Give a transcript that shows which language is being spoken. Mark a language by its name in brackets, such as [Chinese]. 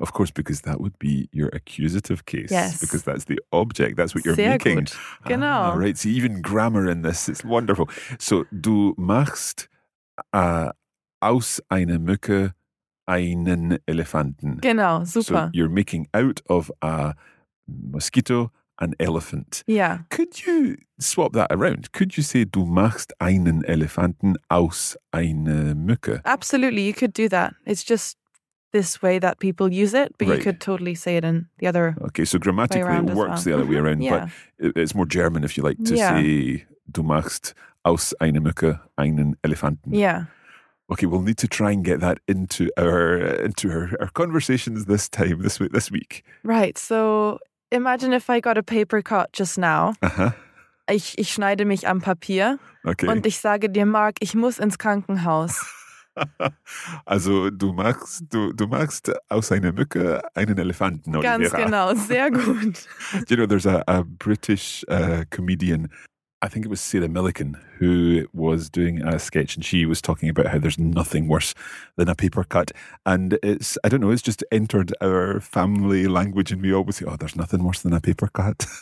[English] Of course, because that would be your accusative case. Yes. Because that's the object. That's what you're [German] Sehr [English] making. [German] Gut. Genau. [English] Ah, right. So even grammar in this, it's wonderful. So [German] du machst aus einer Mücke einen Elefanten. Genau, super. [English] So you're making out of a mosquito an elephant. Yeah. Could you swap that around? Could you say [German] du machst einen Elefanten aus einer Mücke? [English] Absolutely, you could do that. It's just this way that people use it, but right. You could totally say it in the other way. Okay, so grammatically it works The other way around, yeah. But it's more German if you like to say [German] du machst aus einer Mücke einen Elefanten. [English] Yeah. Okay, we'll need to try and get that into our conversations this time, this week. Right, so imagine if I got a paper cut just now. Aha. [German] Ich schneide mich am Papier. [English] Okay. [German] Und ich sage dir, Mark, ich muss ins Krankenhaus. Also du machst aus einer Mücke einen Elefanten, Olivera. Ganz genau, sehr gut. [English] You know, there's a British comedian, I think it was Sarah Millican, who was doing a sketch, and she was talking about how there's nothing worse than a paper cut. And it's, I don't know, it's just entered our family language, and we always say, oh, there's nothing worse than a paper cut.